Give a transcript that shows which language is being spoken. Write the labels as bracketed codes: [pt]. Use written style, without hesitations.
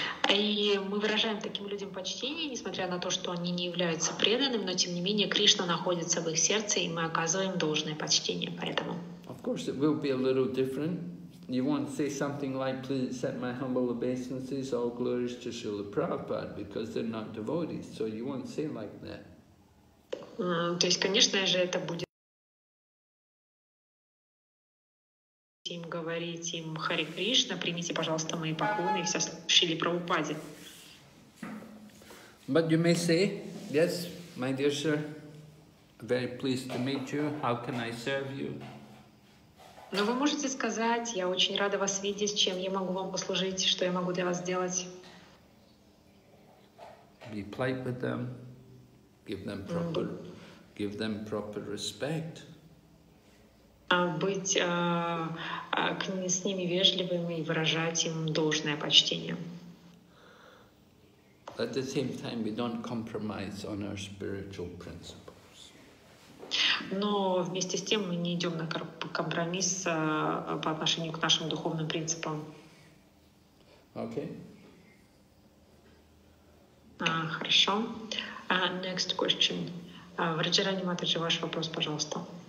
[ru] И мы выражаем таким людям почтение, несмотря на то, что они не являются преданными, но тем не менее Кришна находится в их сердце, и мы оказываем должное почтение поэтому. [en] Of course, it will be a little different. You won't say something like, please accept my humble obeisances, all glories to Srila Prabhupada, because they're not devotees. So you won't say like that. [ru] То есть, конечно же, это будет им говорить им Хари Кришна, примите, пожалуйста, мои поклоны, и все Шили Прабхупаде. [en] But you may say, yes, my dear sir, very pleased to meet you, how can I serve you? [ru] Но вы можете сказать, я очень рада вас видеть, чем я могу вам послужить, что я могу для вас сделать. [en] Be polite with them, give them proper respect. [ru] Быть с ними вежливым и выражать им должное почтение. [en] At the same time, we don't compromise on our spiritual principles. [ru] Но вместе с тем мы не идем на компромисс по отношению к нашим духовным принципам. [en] Okay. [ru] Хорошо. [en] Next question. [ru] Раджарани Матаджи, ваш вопрос, пожалуйста.